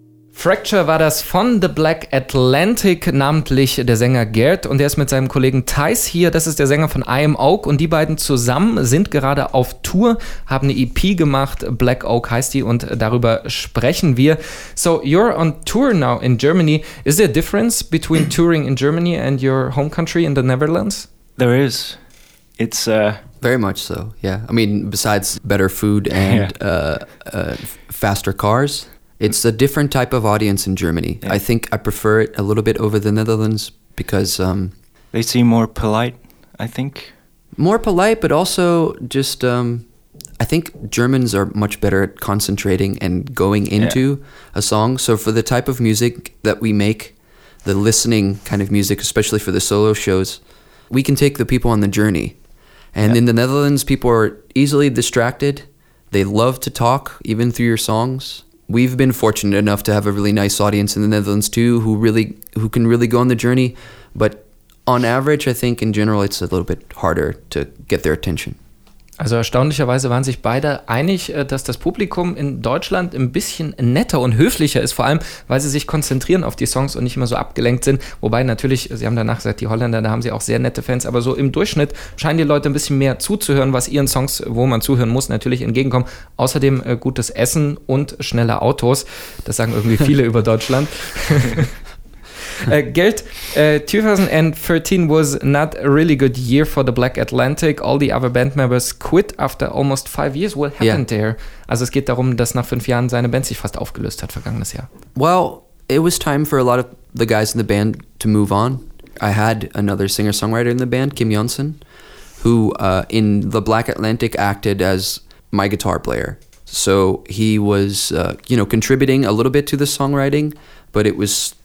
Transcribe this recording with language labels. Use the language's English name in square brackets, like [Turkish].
[German] Fracture war das von The Black Atlantic, namentlich der Sänger Gerd, und der ist mit seinem Kollegen Thijs hier, das ist der Sänger von I Am Oak, und die beiden zusammen sind gerade auf Tour, haben eine EP gemacht, Black Oak heißt die, und darüber sprechen wir. [English] So, you're on tour now in Germany. Is there a difference between touring in Germany and your home country in the Netherlands? There is. It's very much so, yeah. I mean, besides better food and faster cars. It's a different type of audience in Germany. Yeah. I think I prefer it a little bit over the Netherlands because... they seem more polite, I think. More polite, but also just... I think Germans are much better at concentrating and going into a song. So for the type of music that we make, the listening kind of music, especially for the solo shows, we can take the people on the journey. And in the Netherlands, people are easily distracted. They love to talk, even through your songs. We've been fortunate enough to have a really nice audience in the Netherlands too, who can really go on the journey. But on average, I think in general, it's a little bit harder to get their attention. [German] Also erstaunlicherweise waren sich beide einig, dass das Publikum in Deutschland ein bisschen netter und höflicher ist, vor allem, weil sie sich konzentrieren auf die Songs und nicht immer so abgelenkt sind. Wobei natürlich, sie haben danach gesagt, die Holländer, da haben sie auch sehr nette Fans, aber so im Durchschnitt scheinen die Leute ein bisschen mehr zuzuhören, was ihren Songs, wo man zuhören muss, natürlich entgegenkommen. Außerdem gutes Essen und schnelle Autos, das sagen irgendwie viele über Deutschland. [English] Gerd, 2013 was not a really good year for the Black Atlantic. All the other band members quit after almost 5 years. What happened there? [German] Also es geht darum, dass nach 5 Jahren seine Band sich fast aufgelöst hat vergangenes Jahr. [English] Well, it was time for a lot of the guys in the band to move on. I had another singer-songwriter in the band, Kim Jonsson, who in the Black Atlantic acted as my guitar player. So he was, you know, contributing a little bit to the songwriting, but it was...